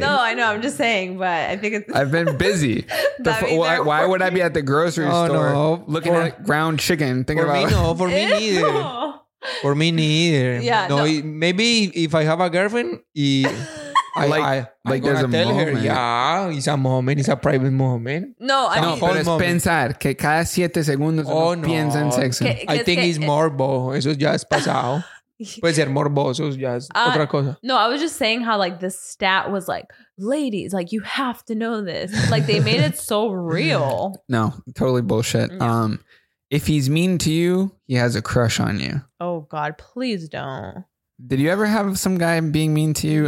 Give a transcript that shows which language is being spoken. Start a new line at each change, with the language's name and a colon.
English: No, I know. I'm just saying, but I think it's... I've been busy. why would I be at the grocery store looking at ground chicken? For me neither. For me neither. Yeah. No. Maybe if I have a girlfriend, I there's a moment. Her, yeah, it's a moment. It's a private moment. No, I mean...
Spanish: No, pero es pensar que cada 7 segundos uno piensa en sexo.
English: I think it's morbo.
Spanish: Eso ya es pasado. Puede ser morboso, ya es otra cosa.
English: No, I was just saying how like the stat was like, ladies, like you have to know this. Like they made it so real. No, totally bullshit. Yeah. If he's mean to you, he has a crush on you. Oh God, please don't. Did you ever have some guy being mean to you?